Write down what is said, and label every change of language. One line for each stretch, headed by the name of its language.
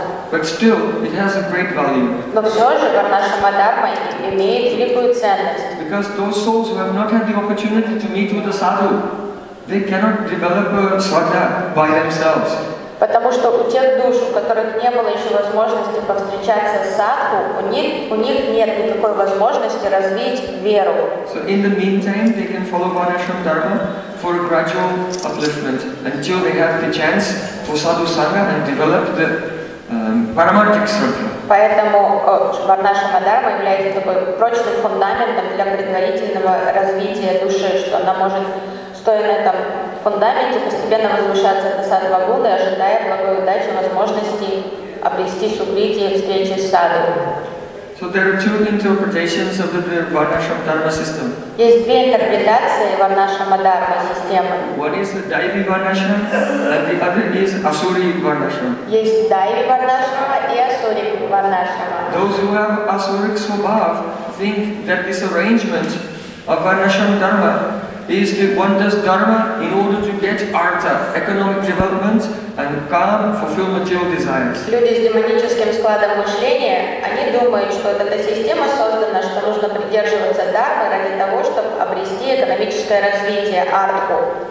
English: but still, it has a great value.
Russian: Но все же Варнашрама Дхарма имеет великую ценность.
English: Because those souls who have not had the opportunity to meet with a sadhu, they cannot develop a sraddha by themselves.
Russian: Потому что у тех душ, у которых не было еще возможности повстречаться с садху, у них нет никакой возможности развить веру.
English: So in the meantime, they can follow Varnashrama Dharma for a gradual upliftment until they have the chance for sadhu sangha and develop the paramarthic sraddha.
Russian: Поэтому Варнашрама Дхарма является такой прочным фундаментом для предварительного развития души, что она может стоя на этом фундаменте постепенно возвышаться до садхва гуны, ожидая благой удачи возможности обрести субхиди и встречи с садху.
English: So there are two interpretations of the Varnashrama Dharma system.
Russian: Есть две интерпретации Варнашрама Дхарма системы.
English: One is the Daivi Varnashrama and the other is Asuri Varnashrama.
Russian: Есть Daivi Varnashrama и Asuri Varnashrama.
English: Those who have Asuric Swabhav think that this arrangement of Varnashrama Dharma is the one does Dharma in order to get Artha, economic development, and calm, fulfill material desires.
Russian: Люди с демоническим складом мышления, они думают, что эта система создана, что нужно придерживаться Дхармы ради того, чтобы обрести экономическое развитие, Артху.